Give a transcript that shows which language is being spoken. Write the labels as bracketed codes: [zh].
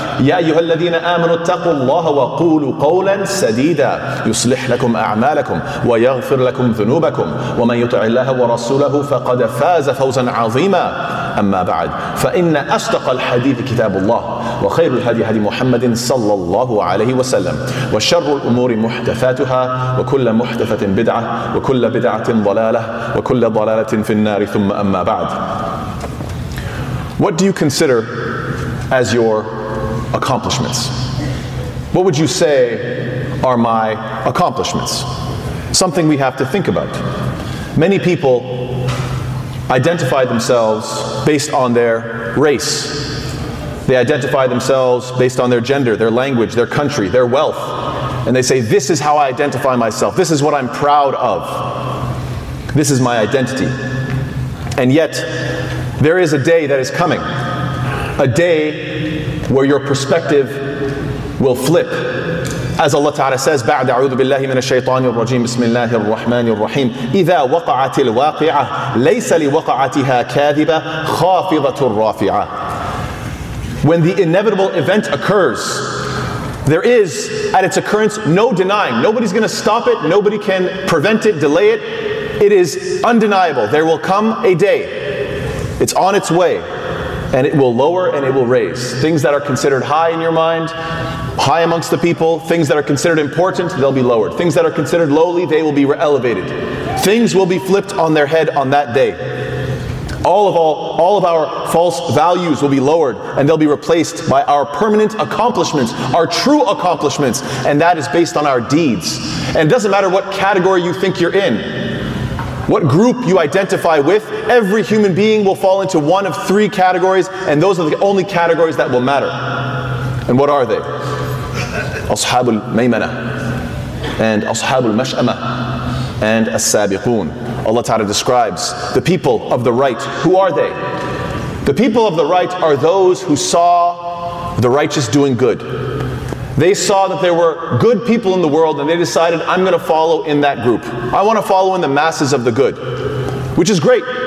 [ar] يا أيها الذين آمنوا اتقوا الله وقولوا قولا سديدا يصلح لكم أعمالكم ويغفر لكم ذنوبكم، ومن يطع الله ورسوله فقد فاز فوزا عظيما. أما بعد، فإن أصدق الحديث كتاب الله، وخير الهدي هدي محمد صلى الله عليه وسلم، وشر الأمور محدثاتها، وكل محدثة بدعة، وكل بدعة ضلالة، وكل ضلالة في النار. ثم أما بعد. [en] What do you consider as your accomplishments? What would you say are my accomplishments? Something we have to think about. Many people identify themselves based on their race. They identify themselves based on their gender, their language, their country, their wealth. And they say, this is how I identify myself. This is what I'm proud of. This is my identity. And yet, there is a day that is coming. A day where your perspective will flip. As Allah Ta'ala says, [ar] بعد أعوذ بالله من الشيطان الرجيم بسم الله الرحمن الرحيم إذا وقعت الواقعة ليس لوقعتها كاذبة خافضة رافعة. [en] When the inevitable event occurs, there is at its occurrence no denying. Nobody's going to stop it. Nobody can prevent it, delay it. It is undeniable. There will come a day. It's on its way. And it will lower and it will raise. Things that are considered high in your mind, high amongst the people, things that are considered important, they'll be lowered. Things that are considered lowly, they will be elevated. Things will be flipped on their head on that day. All of our false values will be lowered, and they'll be replaced by our permanent accomplishments, our true accomplishments, and that is based on our deeds. And it doesn't matter what category you think you're in, what group you identify with, every human being will fall into one of three categories, and those are the only categories that will matter. And what are they? [ar] أصحاب الميمنة and أصحاب المشأمة and السابقون. [en] Allah Ta'ala describes the people of the right. Who are they? The people of the right are those who saw the righteous doing good. They saw that there were good people in the world and they decided, I'm going to follow in that group. I want to follow in the masses of the good, which is great.